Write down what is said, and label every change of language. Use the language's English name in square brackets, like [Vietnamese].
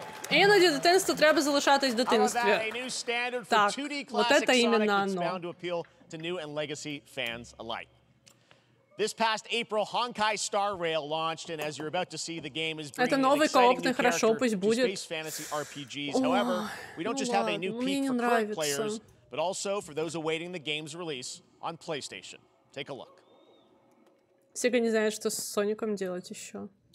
[Ukrainian] Іноді дитинство треба залишатись в дитинстві. Так, от це [Russian] іменно оно. [English] Bound to appeal to new and legacy fans alike. This past April, Honkai Star Rail launched, and as you're about to see, the game is bringing an exciting new character to space fantasy RPGs. However, we don't just have a new peak for current players, but also for those awaiting the game's release on PlayStation. Take a look. [Russian] Сега не знает, что с Соником делать еще.